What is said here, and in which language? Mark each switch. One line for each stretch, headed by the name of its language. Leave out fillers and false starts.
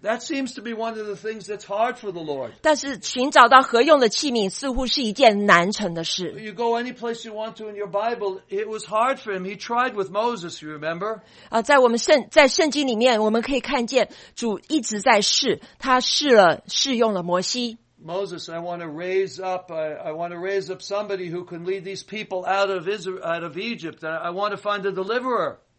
English: That seems to be one of the things that's hard for the Lord.
Chinese: 但是寻找到合用的器皿似乎是一件难成的事。
English: You go any place you want to in your Bible, it was hard for him. He tried with Moses, you remember?
Chinese: 在圣经里面我们可以看见主一直在试，他试用了摩西。
English: Moses, I want to raise up somebody who can lead these people out of Israel, out of Egypt. I want to find a deliverer.